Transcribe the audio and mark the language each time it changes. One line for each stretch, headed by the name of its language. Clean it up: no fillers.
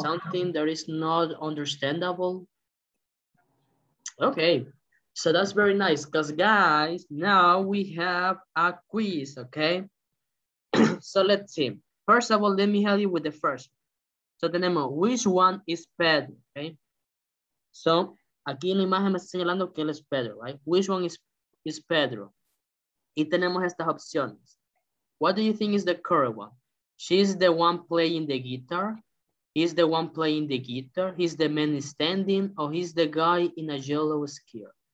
English: Something that is not understandable? Okay, so that's very nice because guys, now we have a quiz, okay? So let's see. First of all, let me help you with the first. So
Spanish: tenemos,
English: which one is better, okay?
Spanish: So, aquí en la imagen me está señalando que él es Pedro, right?
English: Which one is Pedro?
Spanish: Y tenemos estas opciones.
English: What do you think is the correct one? She's the one playing the guitar. He's the one playing the guitar. He's the man standing. Or he's the guy in a yellow skirt.